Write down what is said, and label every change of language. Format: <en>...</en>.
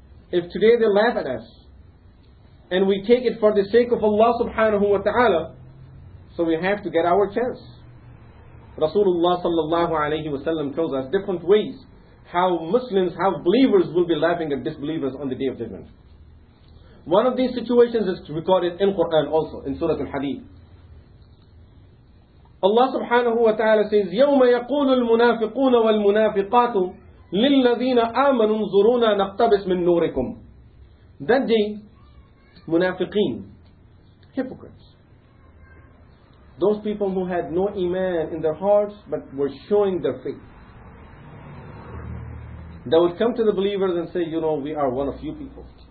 <en>If today they laugh at us, and we take it for the sake of Allah subhanahu wa ta'ala, so we have to get our chance. Rasulullah sallallahu alayhi wa sallam tells us different ways how Muslims, how believers will be laughing at disbelievers on the Day of Judgment. One of these situations is recorded in Quran also, in Surah Al-Hadid. Allah subhanahu wa ta'ala says,</en> <ar>يَوْمَ يَقُولُ الْمُنَافِقُونَ وَالْمُنَافِقَاتُ لِلَّذِينَ آمَنُوا انظُرُونَا نَقْتَبِسْ مِن نُورِكُمْ.</ar> <en>That day, munafiqeen, hypocrites, those people who had no iman in their hearts but were showing their faith, they would come to the believers and say, you know, we are one of you people.</en>